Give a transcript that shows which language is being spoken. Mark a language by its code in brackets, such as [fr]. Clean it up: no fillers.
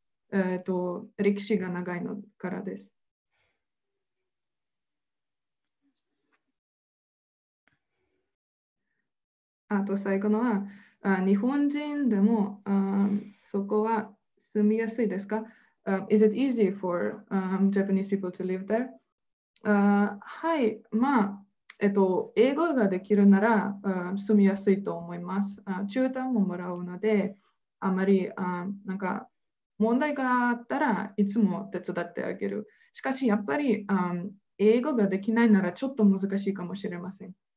[ja] 歴史が長いのからです。あと最後のは、日本人でも、そこは住みやすいですか？ [en] Is it easy for Japanese people to live there? [ja] はい、まあ、英語ができるなら、住みやすいと思います。チューターももらうので、あまり、なんか問題があったらいつも手伝ってあげる。しかしやっぱり、英語ができないならちょっと難しいかもしれません。